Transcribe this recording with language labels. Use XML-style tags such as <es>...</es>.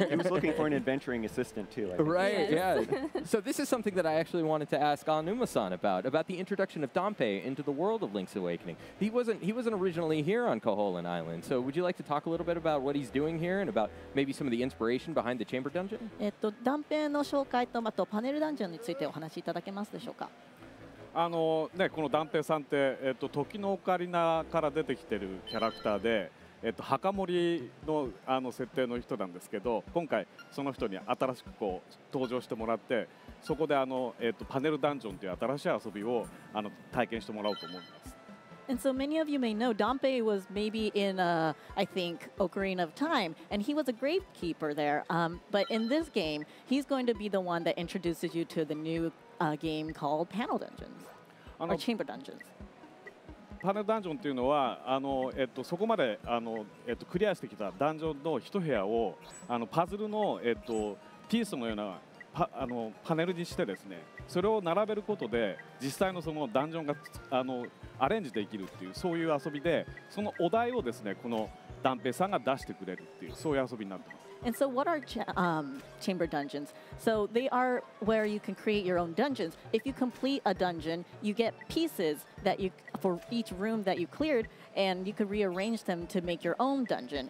<en>He was looking for an adventuring assistant, too. Right, yeah. So this is something that I actually wanted to ask Aonuma-san about the introduction of Dompei into the world of Link's Awakening. He wasn't originally here on Koholen Island, so would you like to talk a little bit about what he's doing here and about maybe some of the inspiration behind the Chamber Dungeon?</en> <ja>Dompei の紹介と、あとパネルダンジョンについてお話しいただけますでしょうか? あのね、このダンペイさんって、時のオカリナから出てきてるキャラクターで、墓守り の設定の人なんですけど、今回その人に新しくこう登場してもらって、そこでパネルダンジョンという新しい遊びを体験してもらおうと思います。</ja> <en>And so many of you may know, Dompei was maybe in, I think, Ocarina of Time, and he was a gravekeeper there. But in this game, he's going to be the one that introduces you to the new game called Panel Dungeons, or Chamber Dungeons.</en> <ja>Panel Dungeon というのは、そこまでクリアしてきたダンジョンの一部屋をパズルのピースのようなパネルにしてですね、それを並べることで実際のそのダンジョンがアレンジできるっていう、そういう遊びで、そのお題をですね、このダンペイさんが出してくれるっていう、そういう遊びになってます。</ja> <en>And so what are chamber dungeons? So they are where you can create your own dungeons. If you complete a dungeon, you get pieces that you, for each room that you cleared, and you can rearrange them to make your own dungeon.</en>